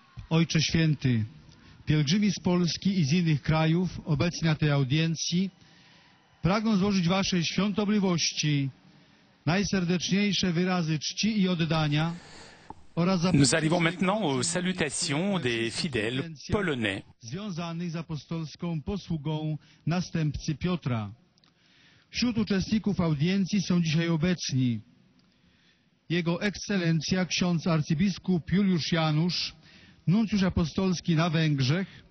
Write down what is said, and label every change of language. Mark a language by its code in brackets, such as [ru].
[pl] Ojcze Święty, pielgrzymi z Polski i z innych krajów obecni na tej audiencji pragną złożyć waszej świątobliwości najserdeczniejsze wyrazy czci i oddania. [fr] Nous arrivons maintenant aux salutations des fidèles polonais. [pl] Związanych z apostolską posługą następcy Piotra. Wśród uczestników audiencji są dzisiaj obecni Jego Ekscelencja ksiądz arcybiskup Juliusz Janusz, nuncjusz apostolski na Węgrzech